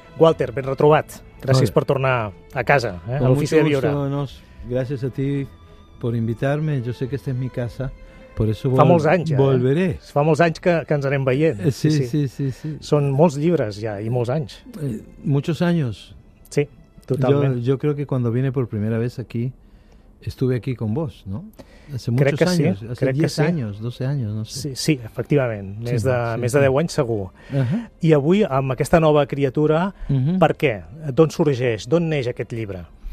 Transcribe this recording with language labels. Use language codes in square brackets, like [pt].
[ca] Walter, ben retrobat. Gràcies per tornar a casa, a l'Ofici de Viure. [es] Gràcies a ti por invitarme. Yo sé que esta es mi casa. Por eso [ca] fa molts anys, [es] volveré. [ca] Fa molts anys que ens anem veient. Sí. Són molts llibres ja, i molts anys. [es] Muchos años. [ca] Sí, totalment. [es] Yo creo que cuando vine por primera vez aquí, estuve aquí con vos, ¿no? Hace muchos años, sí. Hace 10 años, 12 años, no sé. [ca] Sí, efectivament, més de 10 anys segur. I avui, amb aquesta nova criatura, per què? D'on sorgeix, d'on neix aquest llibre?